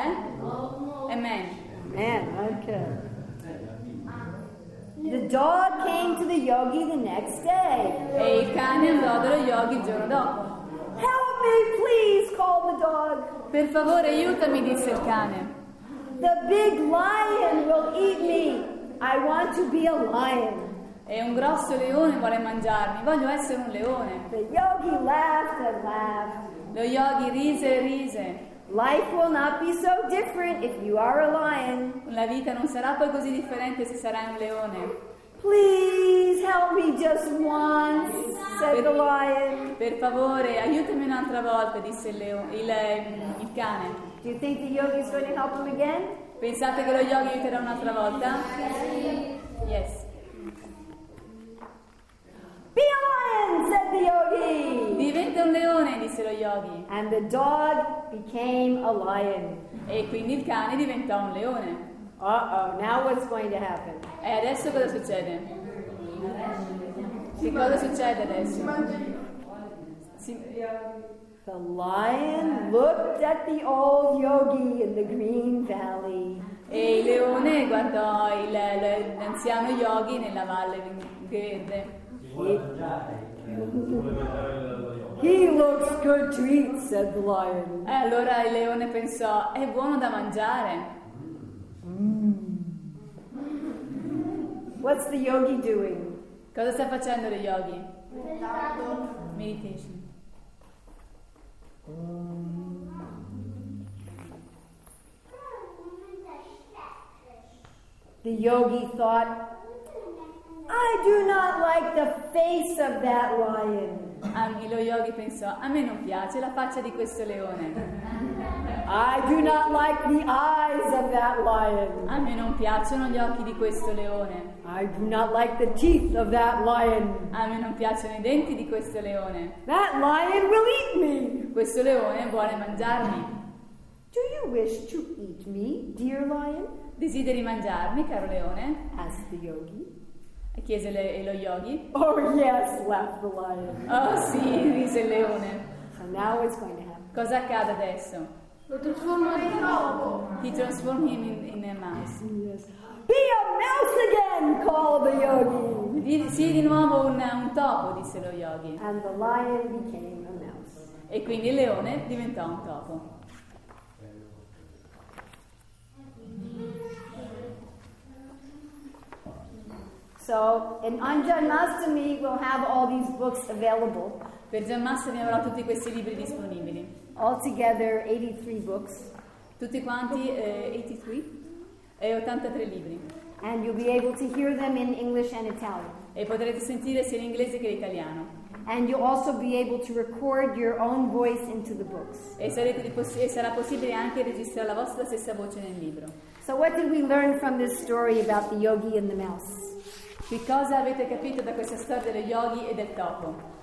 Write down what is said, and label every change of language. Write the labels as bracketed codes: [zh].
[en] Eh? Amen. Amen, okay. The dog came to the yogi the next day. [it] E il cane andò dallo yogi il giorno dopo. [en] Help me, please, called the dog. [it] Per favore, aiutami, disse il cane. [en] The big lion will eat me. I want to be a lion. [it] E un grosso leone vuole mangiarmi. Voglio essere un leone. [en] The yogi laughed and laughed. [it] Lo yogi rise e rise. [en] Life will not be so different if you are a lion. [it] La vita non sarà poi così differente se sarai un leone. [en] Please help me just once, said the lion. [it] Per favore, aiutami un'altra volta, disse il cane. [en] Do you think the yogi is going to help him again? [it] Pensate che lo yogi aiuterà un'altra volta? [en] Yes. Be a lion, said the yogi. [it] Diventa un leone, disse lo yogi. [en] And the dog became a lion. [it] E quindi il cane diventò un leone. [en] Uh-oh, now what's going to happen? [it] E adesso cosa succede? Che cosa succede adesso? [en] The lion looked at the old yogi in the green valley. [it] E il leone guardò l'anziano yogi nella valle verde. [en] He looks good to eat, said the lion. [it] E allora il leone pensò, è buono da mangiare. [en] What's the yogi doing? [it] Cosa sta facendo lo yogi? Meditando. [en] Meditation. The yogi thought, I do not like the face of that lion. [it] Anche lo yogi pensò, a me non piace la faccia di questo leone. [en] I do not like the eyes of that lion. [it] A me non piacciono gli occhi di questo leone. [en] I do not like the teeth of that lion. [it] A me non piacciono i denti di questo leone. [en] That lion will eat me. [it] Questo leone vuole mangiarmi. [en] Do you wish to eat me, dear lion? [it] Desideri mangiarmi, caro leone? [en] Asked the yogi. [it] Chiese lo yogi. [en] Oh yes, laughed the lion. [it] Oh sì, rise il leone. [en] So now what's going to happen? [it] Cosa accade adesso? Lo trasforma in topo. [en] He transformed him in a mouse. Yes. Be a mouse again, called the yogi. [it] Sii di nuovo un topo, disse lo yogi. [en] And the lion became a mouse. [it] E quindi il leone diventò un topo. [en] So an Anjanastami will have all these books available. [it] Per Janmasthami avrà tutti questi libri disponibili. [en] All together 83 books. [it] Tutti quanti 83 e 83 libri. [en] And you'll be able to hear them in English and Italian. [it] E potrete sentire sia in inglese che in italiano. [en] And you'll also be able to record your own voice into the books. [it] E sarà possibile anche registrare la vostra stessa voce nel libro. [en] So what did we learn from this story about the yogi and the mouse? [it] Che cosa avete capito da questa storia dello yogi e del topo?